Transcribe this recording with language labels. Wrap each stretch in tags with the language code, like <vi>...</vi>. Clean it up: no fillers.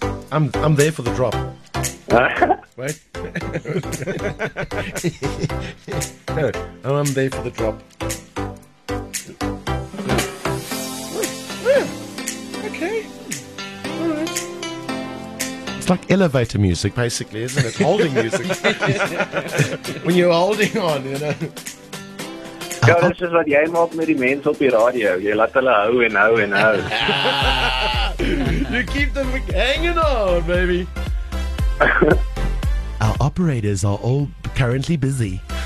<en>I'm there for the drop. Wait. I'm there for the drop. It's like elevator music, basically, isn't it? Holding music. When you're holding on, you know.</en> <af>Ja, dit is wat jy maak met die mens op die radio. Jy laat hulle hou en hou en hou.</af> <en>You keep them hanging on, baby. Our operators are all currently busy.</en>